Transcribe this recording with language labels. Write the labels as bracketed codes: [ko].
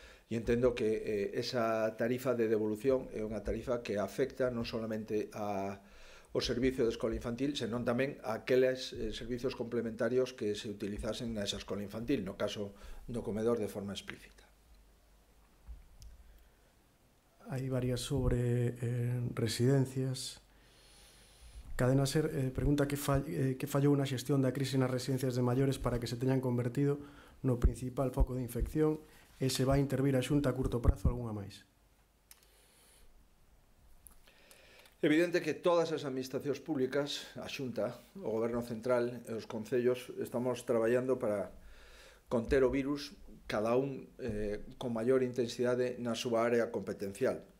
[gl] E entendo que esa tarifa de devolución é unha tarifa que afecta non solamente a o servicio de escola infantil, senón tamén a aqueles servicios complementarios que se utilizasen na esa escola infantil, no caso do comedor, de forma explícita. [es] Hay varias sobre residencias. [gl] Cadena Ser pregunta [es] que falló una gestión [gl] da crise nas residencias de maiores para que se teñan convertido no principal foco de infección e se vai intervir a Xunta a curto prazo algunha máis. Evidente que todas as administracións públicas, a Xunta, o Goberno Central e os concellos, estamos traballando para conter o virus, cada un con maior intensidade na súa área competencial.